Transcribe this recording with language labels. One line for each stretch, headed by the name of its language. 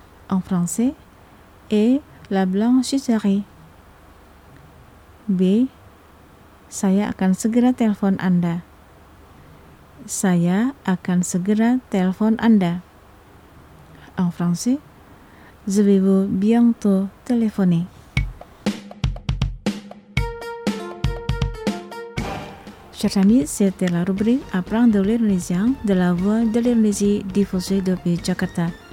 French: En français, et la blanchisserie. B.
Indonesian: Saya akan segera telepon Anda. Saya akan segera telepon Anda.
French: En français, je vais vous bientôt téléphoner. Chers amis, c'était la rubrique Apprendre l'Indonésien de la Voix de l'Indonésie diffusée depuis Jakarta.